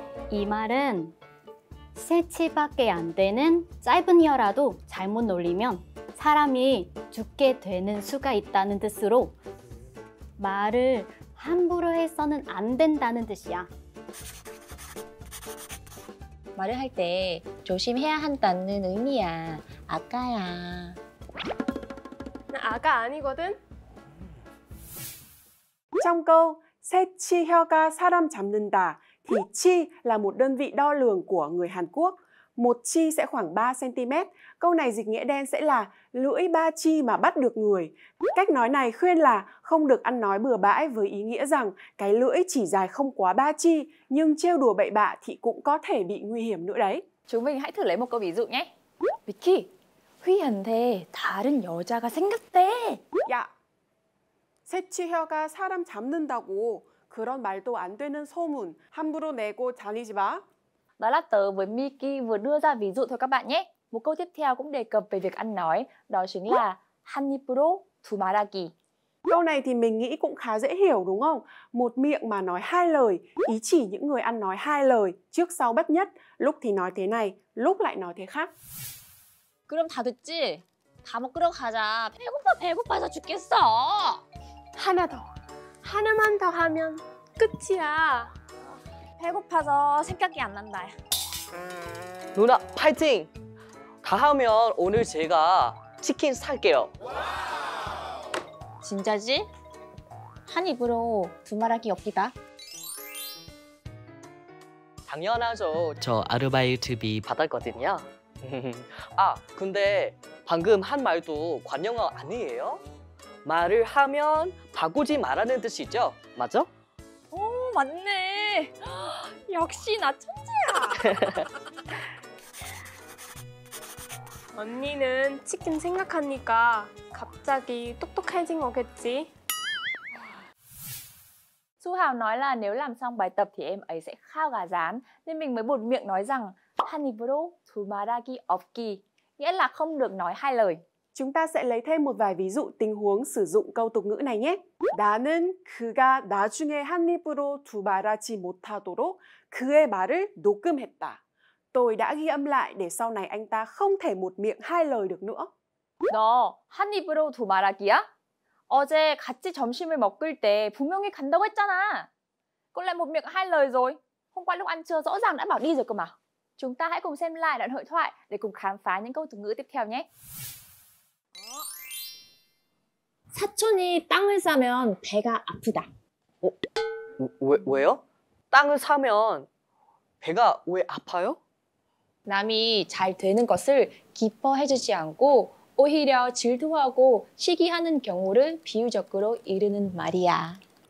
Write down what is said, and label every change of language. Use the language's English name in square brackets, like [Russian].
[Korean] 이 말은 새치밖에 안 되는 짧은 혀라도 잘못 놀리면 사람이 죽게 되는 수가 있다는 뜻으로 말을 함부로 해서는 안 된다는 뜻이야. 말을 할 때 조심해야 한다는 의미야, 아가야. 나 아가 아니거든? [Vietnamese] Trong câu [Korean] 새치 혀가 사람 잡는다 [Vietnamese] thì 치 là một đơn vị đo lường của người Hàn Quốc. Một 치 sẽ khoảng 3cm. Câu này dịch nghĩa đen sẽ là lưỡi ba chi mà bắt được người. Cách nói này khuyên là không được ăn nói bừa bãi với ý nghĩa rằng cái lưỡi chỉ dài không quá ba chi, nhưng trêu đùa bậy bạ thì cũng có thể bị nguy hiểm nữa đấy. Chúng mình hãy thử lấy một câu ví dụ nhé. Vicky, Huy Hân thề, [Korean] 다른 여자가 생겼대. [Vietnamese] Dạ. [Korean] 새치 혀가 사람 잡는다고 그런 말도 안 되는 소문 함부로 내고 다니지 마. [Vietnamese] Đó là tớ với Miki vừa đưa ra ví dụ thôi các bạn nhé. Một câu tiếp theo cũng đề cập về việc ăn nói, đó chính là [Korean] 한 입으로 두 말하기. [Vietnamese] Câu này thì mình nghĩ cũng khá dễ hiểu đúng không? Một miệng mà nói hai lời, ý chỉ những người ăn nói hai lời, trước sau bất nhất, lúc thì nói thế này, lúc lại nói thế khác. [Korean] 그럼 다 됐지? 다 먹으러 가자. 배고파, 배고파서 죽겠어. 하나 더. 하나만 더 하면 끝이야. 배고파서 생각이 안 난다. 누나, 파이팅! 다 하면 오늘 제가 치킨 살게요. 진짜지? 한 입으로 두말하기 없기다. 당연하죠. 저 아르바이트비 받았거든요. 아, 근데 방금 한 말도 관용어 아니에요? 말을 하면 바꾸지 말라는 뜻이죠? 맞죠? 오, 맞네. 역시 나 천재야. 언니는 치킨 생각하니까 갑자기 똑똑해진 거겠지? [Vietnamese] Su Hào nói là nếu làm xong bài tập thì em ấy sẽ khao gà rán. Nên mình mới buột miệng nói rằng [Korean] 한 입으로 두 말하기 없기, [Vietnamese] nghĩa là không được nói hai lời. Chúng ta sẽ lấy thêm một vài ví dụ tình huống sử dụng câu tục ngữ này nhé. [Korean] 나는 그가 나중에 한 입으로 두 말하지 못하도록 그의 말을 녹음했다. [Vietnamese] Tôi đã ghi âm lại để sau này anh ta không thể một miệng hai lời được nữa. [Korean] 너 한 입으로 두 말하기야? 어제 같이 점심을 먹을 때 분명히 간다고 했잖아. [Vietnamese] 꼴레 một miệng hai lời rồi. Hôm qua lúc ăn trưa rõ ràng đã bảo đi rồi cơ mà. Chúng ta hãy cùng xem lại đoạn hội thoại để cùng khám phá những câu từ ngữ tiếp theo nhé. [Korean] 사촌이 땅을 사면 배가 아프다. 어? 왜요? 땅을 사면 배가 왜 아파요? 남이 잘 되는 것을 기뻐해 주지 않고 오히려 질투하고 시기하는 경우를 비유적으로 이르는 말이야.